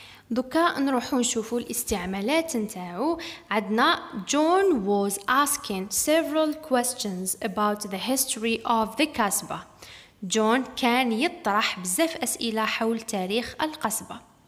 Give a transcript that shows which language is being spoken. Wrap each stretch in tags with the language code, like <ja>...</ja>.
<ar>دوكا نروحو نشوفو الاستعمالات نتاعو. عندنا</ar> <en>John was asking several questions about the history of the Casbah.</en> <ar>John كان يطرح بزاف أسئلة حول تاريخ القصبة.</ar>